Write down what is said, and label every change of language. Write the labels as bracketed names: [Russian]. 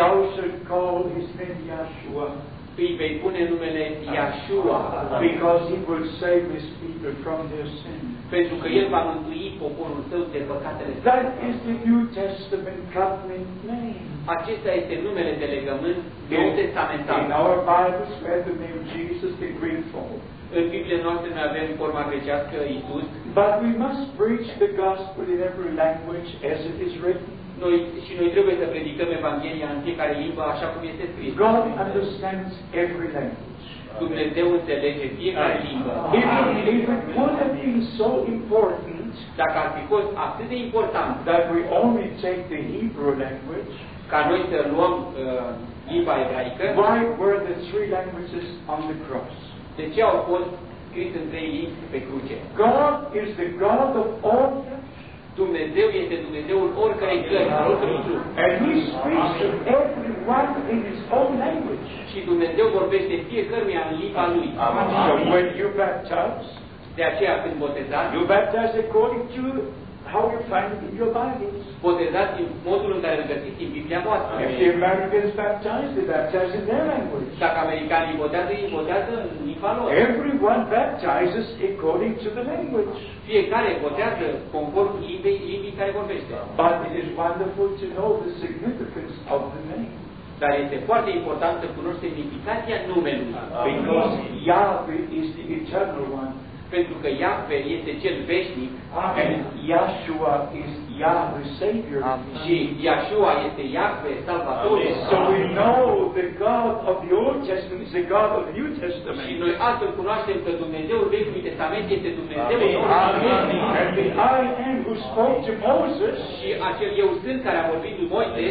[English] thou shalt call his name Yahshua. [Romanian] Îi vei pune numele Yahshua. [English] Because he will save his people from their sin. [Romanian] Pentru că el va mântui poporul tău de păcatele. [English] That is the New Testament covenant name. [Romanian] Acesta este numele de legământ nou testamental. [English] In our Bibles we have the name Jesus the Great Father. [Romanian] În Biblia noastră noi avem forma grecească Iisus. [English] But we must preach the gospel in every language as it is written. [Romanian] Noi trebuie să predicăm Evanghelia în fiecare limbă așa cum este scris. [English] God understands every language. [Romanian] Dumnezeu înțelege fiecare limbă. [English] If it would have been so important, [Romanian] dacă ar fi fost atât de important, [English] that we only take the Hebrew language, [Romanian] ca noi să luăm limba ebraică, [English] why were the three languages on the cross? [Romanian] De ce au fost scrise în trei limbi pe cruce? [English] God is the God of all flesh. [Romanian] Dumnezeu este Dumnezeul oricărei cărți, al oricărui trup. [English] And he speaks to everyone in his own language. [Romanian] Și Dumnezeu vorbește fiecăruia în limba lui. [English] So when you baptize, [Romanian] de aceea când botezați, [English] you baptize according to how you find it in your Bibles. [Romanian] Botezați în modul în care îl găsiți în Biblia voastră. [English] If the Americans baptize, they baptize in their language. [Romanian] Dacă americanii botează, ei botează în limba lor. [English] Everyone baptizes according to the language. [Romanian] Fiecare botează conform limbii care vorbește. [English] But it is wonderful to know the significance of the name. [Romanian] Dar este foarte important să cunoști semnificația numelui. [English] Because Yahweh is the eternal one. [Romanian] Pentru că Iahve este cel veșnic. [English] Amen. Yahshua is Yahweh Savior. Amen. [Romanian] Și Yahshua este Iahve Salvator. [English] So we know the God of the Old Testament is the God of the New Testament. [Romanian] Și noi astfel cunoaștem că Dumnezeul Vechiului Testament este Dumnezeul Noului. Amen. [English] And the I Am who spoke to Moses. [Romanian] Și acel Eu Sunt care a vorbit lui Moise.